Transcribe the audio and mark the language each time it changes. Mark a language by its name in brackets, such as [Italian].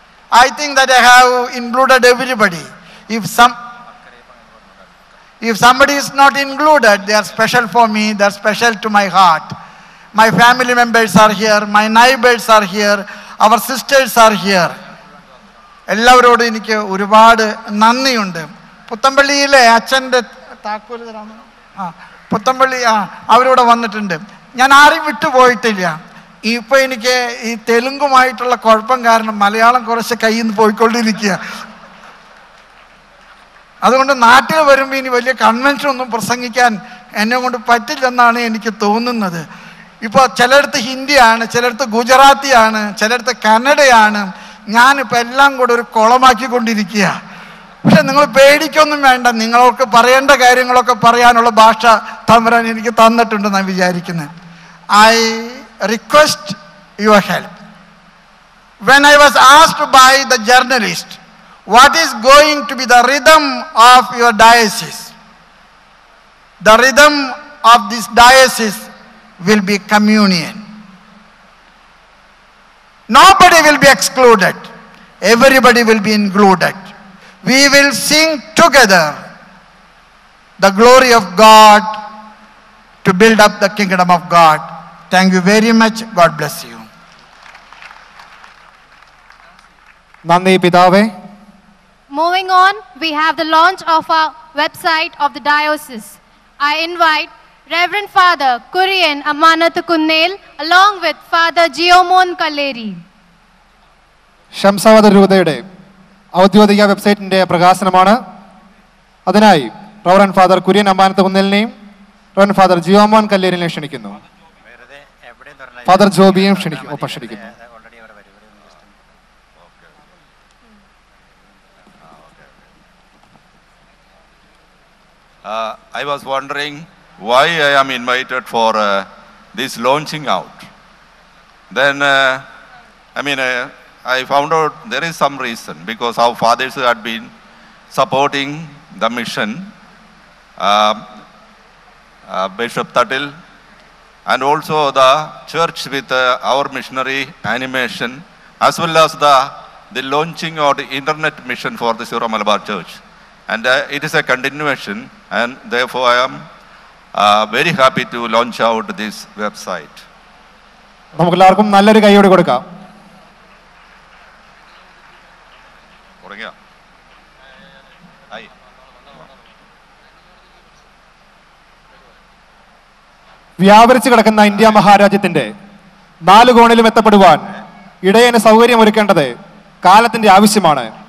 [English] I think that I have included everybody. If somebody is not included, they are special for me, they are special to my heart. My family members are here, my neighbors are here, our sisters are here. [Malayalam] എല്ലാവരോടും എനിക്ക് ഒരുപാട് നന്ദിയുണ്ട്. പുത്തമ്പള്ളിയിലെ അച്ഛൻ്റെ താക്കോല് തരാമോ? അവരോട് വന്നിട്ടുണ്ട്. ഞാൻ ആരും വിട്ടുപോയിട്ടില്ല. ഇപ്പോൾ എനിക്ക് ഈ തെലുങ്കുമായിട്ടുള്ള കുഴപ്പം കാരണം മലയാളം കുറച്ച് കയ്യിൽ നിന്ന് പോയിക്കൊണ്ടിരിക്കുക. അതുകൊണ്ട് നാട്ടിൽ വരുമ്പോൾ ഇനി വലിയ കൺവെൻഷനൊന്നും പ്രസംഗിക്കാൻ എന്നെ കൊണ്ട് പറ്റില്ലെന്നാണ് എനിക്ക് തോന്നുന്നത്. ഇപ്പോൾ ചിലയിടത്ത് ഹിന്ദിയാണ്, ചിലയിടത്ത് ഗുജറാത്തിയാണ്, ചിലയിടത്ത് കന്നഡയാണ്. ഞാനിപ്പോൾ എല്ലാം കൂടെ ഒരു കുളമാക്കിക്കൊണ്ടിരിക്കുക. പക്ഷെ നിങ്ങൾ പേടിക്കൊന്നും വേണ്ട, നിങ്ങൾക്ക് പറയേണ്ട കാര്യങ്ങളൊക്കെ പറയാനുള്ള ഭാഷ തമ്പുരാൻ എനിക്ക് തന്നിട്ടുണ്ട് എന്നാണ് വിചാരിക്കുന്നത്. [English] I request your help. When I was asked by the journalist what is going to be the rhythm of your diocese, the rhythm of this diocese will be communion. Nobody will be excluded. Everybody will be included. We will sing together the glory of God to build up the kingdom of God. Thank you very much. God bless you. [Malayalam] Nandi Pidave. [English] Moving on, we have the launch of our website of the diocese. I invite Reverend Father Kurian Ammanath Kunnel along with Father Geomon Kaleri. [Malayalam] ശംസാവാദ രൂപതയുടെ ഔദ്യോഗിക വെബ്സൈറ്റിൻ്റെ പ്രകാശനമാണ്. അതിനായി reverend father Kurian അമ്പാനത്ത് കുന്നേലിനെയും Reverend father ജിയോമോൻ കല്ലേരിനെ ക്ഷണിക്കുന്നു. Father ജോബിയും ക്ഷണിക്കുന്നു. ഉപക്ഷണിക്കുന്നു. [English] I was wondering why I am invited for this launching out. Then I found out there is some reason, because our fathers had been supporting the mission, Bishop Tuttle, and also the church with our missionary animation, as well as the launching out internet mission for the Sura Malabar Church. And it is a continuation, and therefore I am very happy to launch out this website. [Malayalam] നമുക്കെല്ലാവർക്കും നല്ലൊരു കൈയോട് കൊടുക്കാം. വ്യാപരിച്ചു കിടക്കുന്ന India മഹാരാജ്യത്തിന്റെ നാല് കോണിലും എത്തപ്പെടുവാൻ ഇടയന് സൗകര്യം ഒരുക്കേണ്ടത് കാലത്തിന്റെ ആവശ്യമാണ്.